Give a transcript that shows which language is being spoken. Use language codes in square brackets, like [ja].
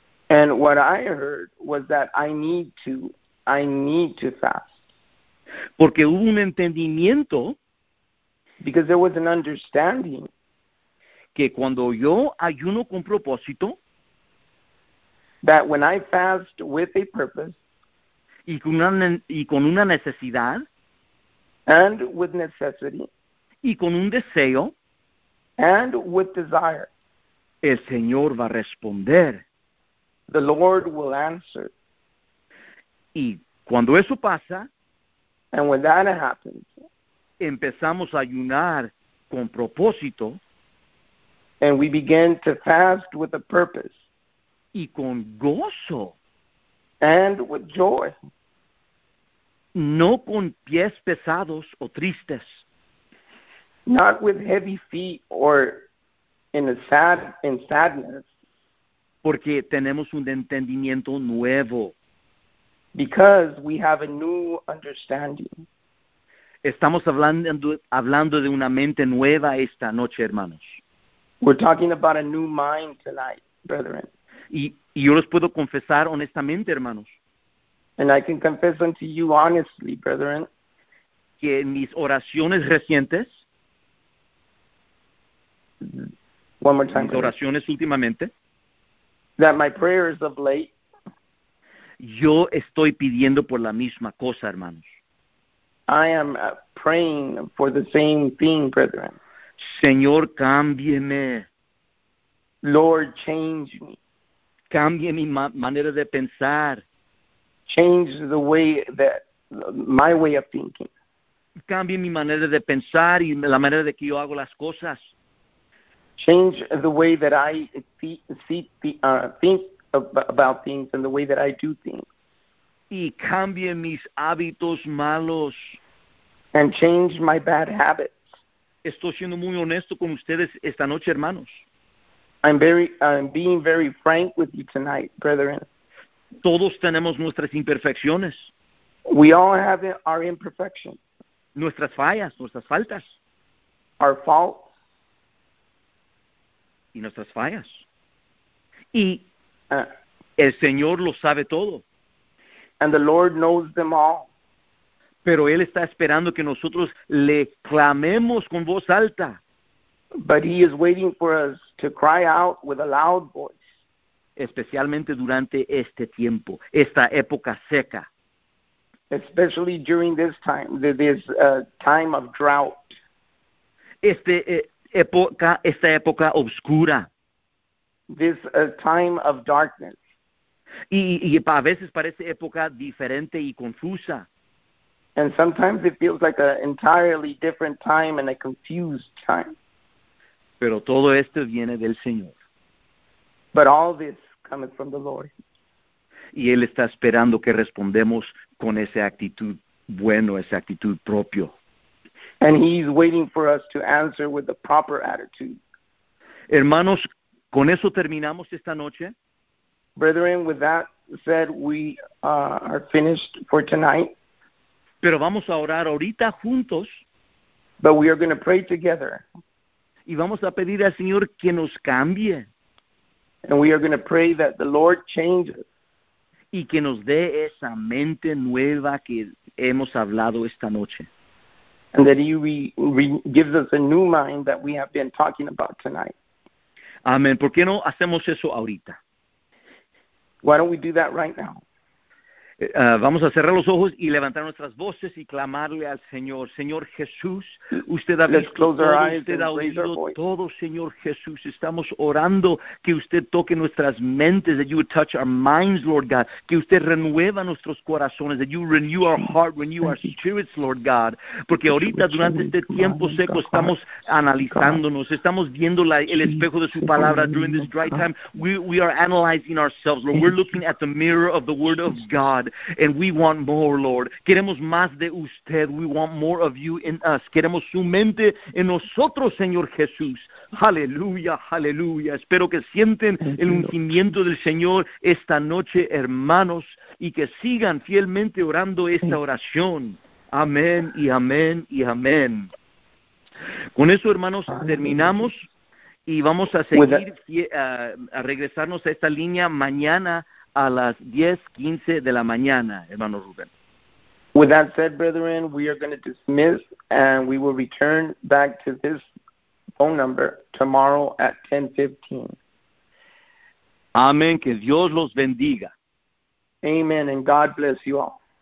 [en] And what I heard was that I need to fast. [es] Porque hubo un entendimiento. [en] Because there was an understanding. [es] Que cuando yo ayuno con propósito. [en] That when I fast with a purpose. [es] Y con una necesidad. [en] And with necessity. [es] Y con un deseo. [en] And with desire. [es] El Señor va a responder. [en] The Lord will answer. [es] Y cuando eso pasa. [en] And when that happens. [es] Empezamos a ayunar con propósito. [en] And we begin to fast with a purpose. [es] Y con gozo. [en] And with joy. [es] No con pies pesados o tristes. [en] Not with heavy feet or in sadness. [es] Porque tenemos un entendimiento nuevo. [en] Because we have a new understanding. [es] Estamos hablando de una mente nueva esta noche, hermanos. [en] We're talking about a new mind tonight, brethren. [es] Y yo les puedo confesar honestamente, hermanos. [en] And I can confess unto you honestly, brethren. [es] Que en mis oraciones recientes. [en] One more time. [es] Mis oraciones últimamente. [en] That my prayers of late. [es] Yo estoy pidiendo por la misma cosa, hermanos. [en] I am praying for the same thing, brethren. [es] Señor, cámbieme. [en] Lord, change me. [es] Cambie mi manera de pensar. [en] Change the way that, my way of thinking. [es] Cambie mi manera de pensar y la manera de que yo hago las cosas. [en] Change the way that I think about things and the way that I do things. [es] Y cambie mis hábitos malos. [en] And change my bad habits. [es] Estoy siendo muy honesto con ustedes esta noche, hermanos. [en] I'm being very frank with you tonight, brethren. [es] Todos tenemos nuestras imperfecciones. [en] We all have our imperfections. [es] Nuestras fallas, nuestras faltas. [en] Our faults. [es] Y nuestras fallas. Y el Señor lo sabe todo. [en] And the Lord knows them all. [es] Pero Él está esperando que nosotros le clamemos con voz alta. [en] But He is waiting for us to cry out with a loud voice. [es] Especialmente durante este tiempo, esta época seca. [en] Especially during this time, this time of drought. [es] Esta época oscura. [en] This time of darkness. [es] Y a veces parece época diferente y confusa. [en] And sometimes it feels like an entirely different time and a confused time. [es] Pero todo esto viene del Señor. [en] But all this comes from the Lord. [es] Y Él está esperando que respondemos con esa actitud bueno, esa actitud propio. [en] And He's waiting for us to answer with the proper attitude. [es] Hermanos, con eso terminamos esta noche. [en] Brethren, with that said, we are finished for tonight. [es] Pero vamos a orar ahorita juntos. [en] But we are going to pray together. [es] Y vamos a pedir al Señor que nos cambie. [en] And we are going to pray that the Lord changes. [es] Y que nos dé esa mente nueva que hemos hablado esta noche. [en] And that He gives us a new mind that we have been talking about tonight. [es] Amén. ¿Por qué no hacemos eso ahorita? [en] Why don't we do that right now? [es] Vamos a cerrar los ojos y levantar nuestras voces y clamarle al Señor. Señor Jesús, usted ha visto todo, usted ha oído todo, Señor Jesús. Estamos orando que usted toque nuestras mentes, [en] that you would touch our minds, Lord God. [es] Que usted renueva nuestros corazones, [en] that you renew our heart, renew our spirits, Lord God. [es] Porque ahorita, durante este tiempo seco, estamos analizándonos, estamos viendo el espejo de su palabra. [en] During this dry time, we are analyzing ourselves, Lord. We're looking at the mirror of the Word of God. And we want more, Lord. [es] Queremos más de usted. [en] We want more of you in us. [es] Queremos su mente en nosotros, Señor Jesús. Aleluya, aleluya. Espero que sienten el ungimiento del Señor esta noche, hermanos, y que sigan fielmente orando esta oración. Amén y amén y amén. Con eso, hermanos, terminamos y vamos a seguir a regresarnos a esta línea mañana a las 10:15 de la mañana, hermano Rubén. [en] With that said, brethren, we are going to dismiss and we will return back to this phone number tomorrow at 10:15. [es] Amén. Que Dios los bendiga. [en] Amen, and God bless you all.